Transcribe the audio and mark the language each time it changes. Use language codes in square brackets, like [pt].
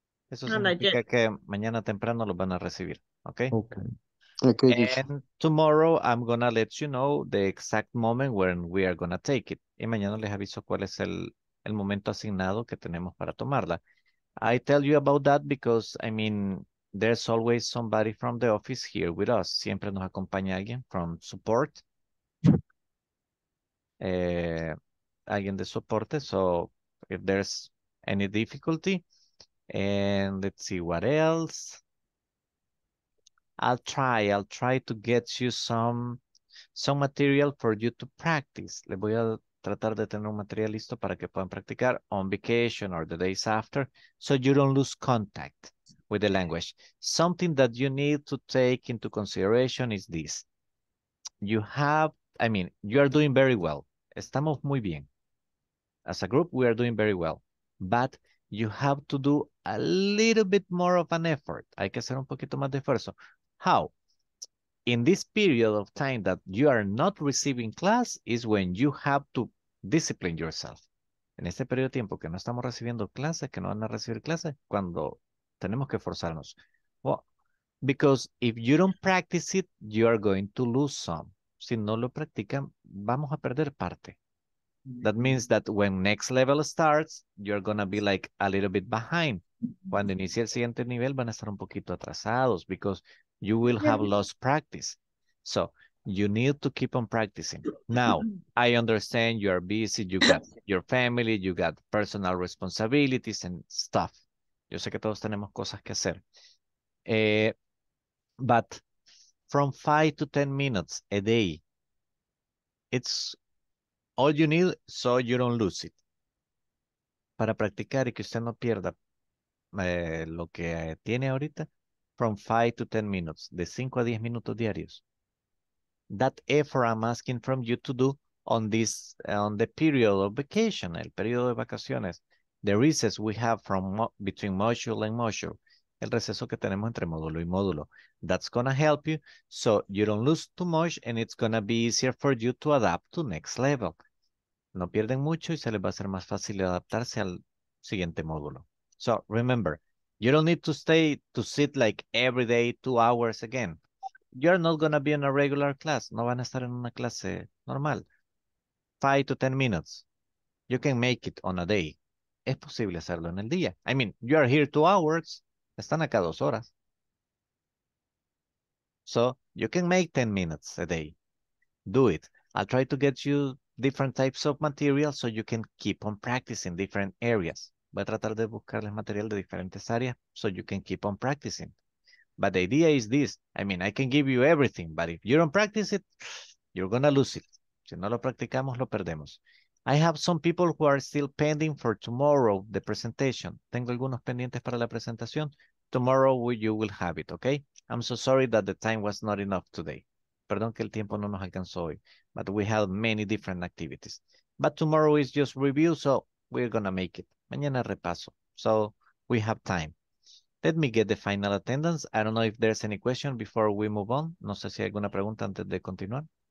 [es] Eso significa que mañana temprano lo van a recibir, okay? [en] Okay. And tomorrow I'm going to let you know the exact moment when we are going to take it. [es] Y mañana les aviso cuál es el momento asignado que tenemos para tomarla. [en] I tell you about that because, I mean, there's always somebody from the office here with us. [es] Siempre nos acompaña alguien [en] from support. [es] Alguien de soporte. [en] So if there's any difficulty, and let's see what else. I'll try to get you some material for you to practice. [es] Le voy a tratar de tener un material listo para que puedan practicar [en] on vacation or the days after, so you don't lose contact with the language. Something that you need to take into consideration is this. You are doing very well. [es] Estamos muy bien. [en] As a group, we are doing very well. But you have to do a little bit more of an effort. [es] Hay que hacer un poquito más de esfuerzo. [en] How? In this period of time that you are not receiving class is when you have to discipline yourself. [es] En este periodo de tiempo que no estamos recibiendo clases, que no van a recibir clases, cuando tenemos que forzarnos. [en] Well, because if you don't practice it, you are going to lose some. [es] Si no lo practican, vamos a perder parte. [en] That means that when next level starts, you're going to be like a little bit behind. [es] Cuando inicia el siguiente nivel, van a estar un poquito atrasados [en] because you will have lost practice. So you need to keep on practicing. Now, I understand you are busy. You got your family. You got personal responsibilities and stuff. [es] Yo sé que todos tenemos cosas que hacer. [en] But from 5 to 10 minutes a day, it's all you need so you don't lose it. [es] Para practicar y que usted no pierda lo que tiene ahorita, [en] from 5 to 10 minutes, [es] de 5 a 10 minutos diarios. [en] That effort I'm asking from you to do on this, on the period of vacation, [es] el periodo de vacaciones, [en] the recess we have from between module and module, [es] el receso que tenemos entre módulo y módulo. [en] That's going to help you so you don't lose too much and it's going to be easier for you to adapt to next level. [es] No pierden mucho y se les va a hacer más fácil adaptarse al siguiente módulo. [en] So remember, you don't need to stay to sit like every day 2 hours again. You're not going to be in a regular class. [es] No van a estar en una clase normal. [en] 5 to 10 minutes. You can make it on a day. [es] Es posible hacerlo en el día. [en] I mean, you are here 2 hours. [es] Están acá 2 horas. [en] So you can make 10 minutes a day. Do it. I'll try to get you different types of material so you can keep on practicing different areas. [es] Voy a tratar de buscarles material de diferentes áreas [en] so you can keep on practicing. But the idea is this. I mean, I can give you everything, but if you don't practice it, you're going to lose it. [es] Si no lo practicamos, lo perdemos. [en] I have some people who are still pending for tomorrow, the presentation. [es] Tengo algunos pendientes para la presentación. [en] Tomorrow you will have it, okay? I'm so sorry that the time was not enough today. [es] Perdón que el tiempo no nos alcanzó hoy, [en] but we have many different activities. But tomorrow is just review, so we're going to make it. [es] Mañana repaso. [en] So we have time. Let me get the final attendance. I don't know if there's any question before we move on. [es] No sé si hay alguna pregunta antes de continuar.